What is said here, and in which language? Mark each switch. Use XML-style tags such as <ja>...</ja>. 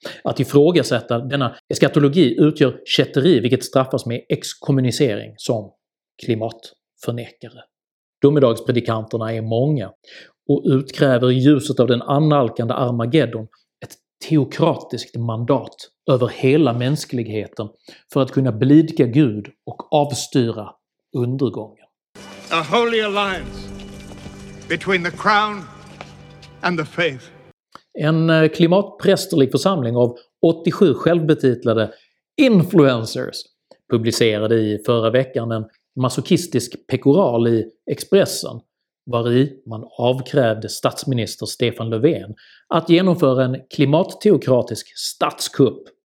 <sv>Att ifrågasätta denna eskatologi utgör kätteri, vilket straffas med exkommunicering som klimatförnekare. Domedagspredikanterna är många och utkräver i ljuset av den annalkande Armageddon ett teokratiskt mandat över hela mänskligheten för att kunna blidka Gud och avstyra undergången.</sv> <en>A holy alliance between the crown and the faith.</en> <sv>En klimatprästerlig församling av 87 självbetitlade influencers publicerade i förra veckan en masochistisk pekoral i Expressen, vari man avkrävde statsminister Stefan Löfven att genomföra en klimatteokratisk statskupp.</sv>